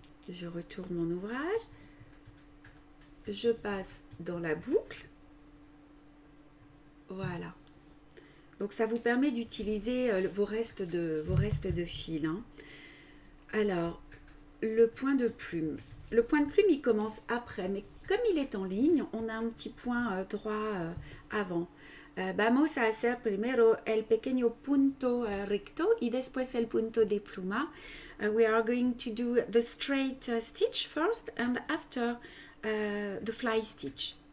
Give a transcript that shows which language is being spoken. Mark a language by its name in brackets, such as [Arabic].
[French] Je retourne mon ouvrage, je passe dans la boucle, voilà. Donc ça vous permet d'utiliser vos restes de fil. Hein. Alors, le point de plume. Le point de plume, il commence après, mais comme il est en ligne, on a un petit point droit avant. [Spanish] Vamos a hacer primero el pequeño punto recto y después el punto de pluma. [English] We are going to do the straight stitch first and after the fly stitch.